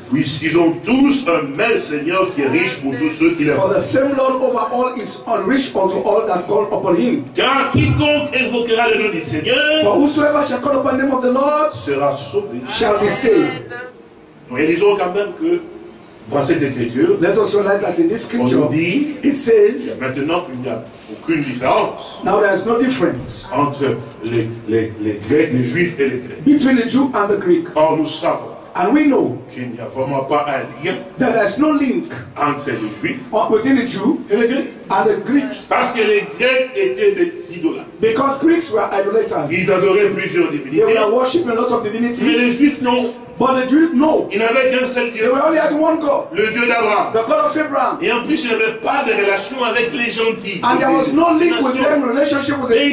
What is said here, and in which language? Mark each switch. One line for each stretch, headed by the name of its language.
French: Puisqu'ils ont tous un même Seigneur qui est riche pour tous ceux qui l'aiment.
English: For the same Lord over all is rich unto all that call upon him.
French: Car quiconque invoquera le nom du Seigneur.
English: For whosoever shall call upon the name of the Lord.
French: Sera sauvé.
English: Shall be saved.
French: Nous réalisons quand même que. Dans cette écriture.
English: Let us realize that in this scripture.
French: On dit.
English: It says.
French: Maintenant il n'y a aucune différence.
English: Now there is no difference.
French: Entre les Grecs, les Juifs et les Grecs.
English: Between the Jew and the Greek.
French: Or nous savons.
English: And we know
French: qu'il n'y a vraiment pas un lien.
English: That there is no link
French: entre les Juifs.
English: Or within the Jew
French: et les Grecs.
English: And the Greeks.
French: Parce que les Grecs étaient des idolâtres.
English: Because Greeks were idolaters.
French: Ils adoraient plusieurs divinités.
English: They were worshiping a lot of divinities.
French: Mais les Juifs non.
English: But the Jews, no.
French: Il n'avait qu'un seul Dieu.
English: They only had one God.
French: Le Dieu d'Abraham.
English: The God of Abraham.
French: Et en plus, il n'avait pas de relation avec les gentils.
English: And there was no link with them, relationship with the